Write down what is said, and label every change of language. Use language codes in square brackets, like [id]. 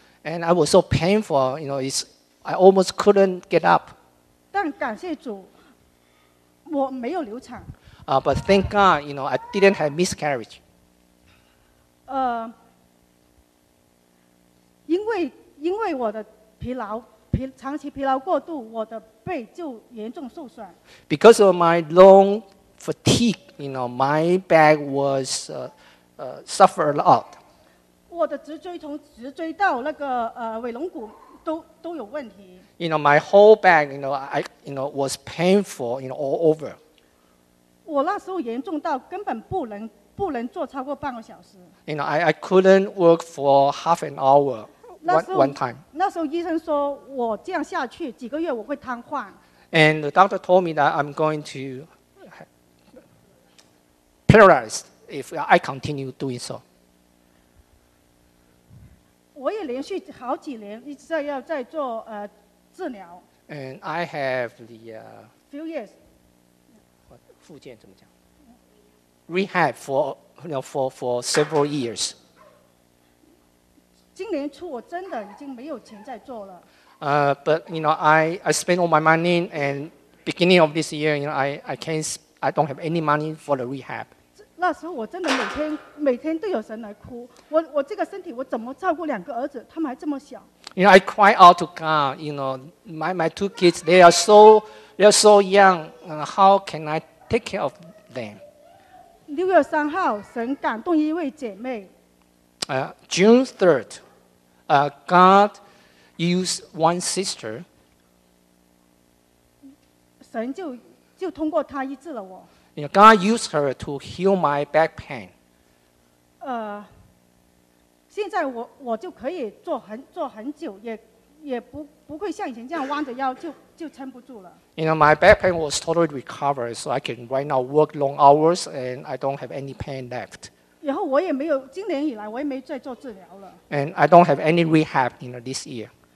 [en] And I was so painful, you know, I almost couldn't get up. [zh] 但感谢主，我没有流产。 [en] But thank God, you know, I didn't have miscarriage. [zh] 因为我的长期疲劳过度，我的背就严重受损。 [en] Because of my long fatigue, you know, my back was suffered a lot. [zh] 我的直椎从直椎到那个尾龙骨都有问题。 [en] You know, my whole back, you know, I was painful, you know, all over. [zh] 我那时候严重到根本不能坐超过半个小时。 [en] You know, I couldn't work for half an hour. One time. [zh] 那时候医生说我这样下去几个月我会瘫痪。 [en] And the doctor told me that I'm going to paralyze if I continue doing so. [zh] 我也连续好几年一直在要再做治疗。 [en] And I have the few years. [zh] 复健怎么讲 [en] ？Rehab for several years. [zh] 今年初我真的已经没有钱再做了。 [en] But you know, I spent all my money, and beginning of this year, you know, I don't have any money for the rehab. [zh] 那时候我真的每天都有神来哭。我这个身体，我怎么照顾两个儿子？他们还这么小。 [en] You know, I cry out to God. You know, my two kids, they are so young. How can I take care of them? [zh] 六月三号，神感动一位姐妹。 [en] June 3rd, God used one sister. [zh] 神就通过她医治了我。 [en] You know, God used her to heal my back pain. [zh] 现在我就可以坐很久，也不会像以前这样弯着腰就撑不住了。 [en] You know, my back pain was totally recovered, so I can right now work long hours and I don't have any pain left. [zh] 然后我也没有，今年以来我也没再做治疗了。 [en] And I don't have any rehab, you know, this year.